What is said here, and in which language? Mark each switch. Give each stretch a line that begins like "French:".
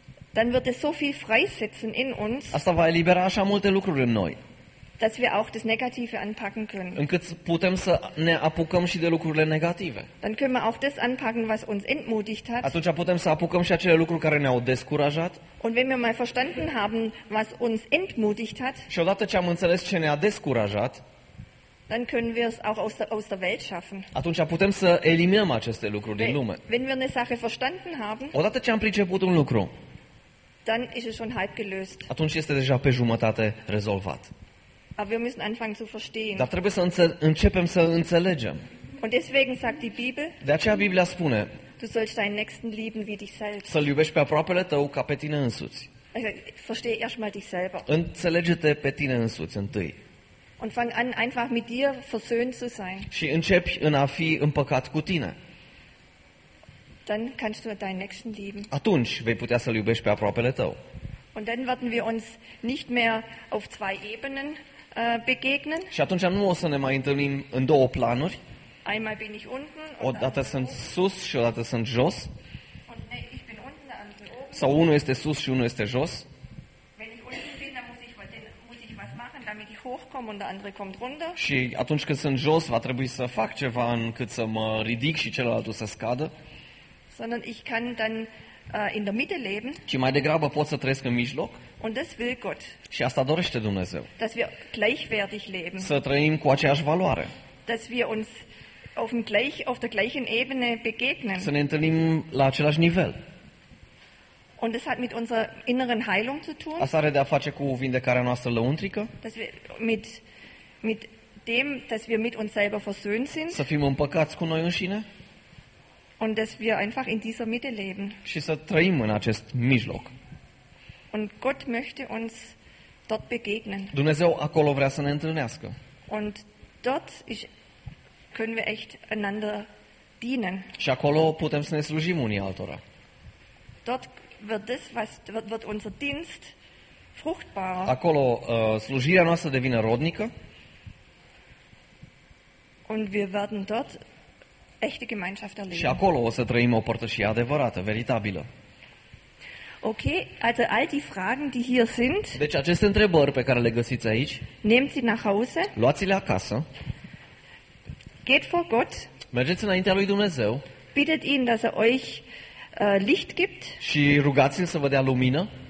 German: Dann wird es so viel freisetzen in uns.
Romanian: Asta va elibera așa multe lucruri în noi.
German: Dass wir auch das Negative anpacken können.
Romanian: Încât putem să ne apucăm și de lucrurile negative.
German: Dann können wir auch das anpacken, was uns entmutigt hat.
Romanian: Atunci putem să apucăm și acele lucruri care ne-au descurajat.
German: Und wenn wir mal verstanden haben, was uns entmutigt hat.
Romanian: Și odată ce am înțeles ce ne-a descurajat.
German: Dann können wir es auch aus der Welt schaffen.
Romanian: Atunci putem să eliminăm aceste lucruri din lume.
German: Wenn wir eine Sache verstanden haben.
Romanian: Odată ce am priceput un lucru.
German: Dann ist es schon halb gelöst.
Romanian: Atunci este deja pe jumătate rezolvat.
German: Aber wir müssen anfangen zu verstehen.
Romanian: Dar trebuie să începem să înțelegem.
German: Und deswegen sagt die Bibel.
Romanian: De aceea Biblia spune.
German: Du sollst deinen Nächsten lieben wie dich selbst.
Romanian: Să-l iubești pe aproapele tău ca pe tine însuți.
German: Also, verstehe erstmal dich selber.
Romanian: Înțelege-te pe tine însuți întâi.
German: Und fang an einfach mit dir versöhnt zu sein.
Romanian: Și începi în a fi împăcat cu tine.
German: Dann kannst du deinen Nächsten lieben.
Romanian: Atunci vei putea să-l iubești pe aproapele tău.
German: Und dann werden wir uns nicht mehr auf zwei Ebenen begegnen.
Romanian: Și atunci nu o să ne mai întâlnim în două planuri.
German: Einmal bin ich unten,
Romanian: odată sunt sus și odată sunt jos.
German: Und ne, ich bin unten, der andere oben.
Romanian: Sau unul este sus și unul este jos.
German: Wenn ich unten bin, dann muss ich was machen, damit ich hochkomme und der andere kommt runter.
Romanian: Și atunci când sunt jos, va trebui să fac ceva încât să mă ridic și celălalt să scadă.
German: Sondern ich kann dann in der Mitte leben.
Romanian: Ci mai degrabă pot să trăiesc în mijloc.
German: Und das will Gott.
Romanian: Și asta dorește Dumnezeu.
German: Dass wir gleichwertig leben.
Romanian: Să trăim cu aceeași valoare.
German: Dass wir uns auf der gleichen Ebene begegnen.
Romanian: Să ne întâlnim la același nivel.
German: Und das hat mit unserer inneren Heilung zu tun.
Romanian: Asta are de-a face cu vindecarea noastră lăuntrică.
German: Dass wir mit dem, dass wir mit uns selber versöhnt sind.
Romanian: Să fim împăcați cu noi înșine.
German: Und dass wir einfach in dieser Mitte leben.
Romanian: Și să trăim în acest mijloc.
German: Und Gott möchte uns dort begegnen.
Romanian: Dumnezeu acolo vrea să ne întâlnească.
German: Und dort können wir echt einander dienen.
Romanian: Și acolo putem să ne slujim unii altora.
German: Dort wird unser Dienst fruchtbar.
Romanian: Acolo slujirea noastră devine rodnică.
German: Und wir werden dort echte Gemeinschaft erleben.
Romanian: Și acolo o să trăim o părtășie adevărată, veritabilă.
German: Okay, also all die Fragen, die hier sind.
Romanian: Deci aceste întrebări pe care le găsiți aici.
German: Nehmt-i nach Hause.
Romanian: Luați-le acasă.
German: Geht vor Gott.
Romanian: Mergeți înaintea lui Dumnezeu.
German: Bittet ihn, dass er euch Licht gibt.
Romanian: Și rugați-l să vă dea lumină.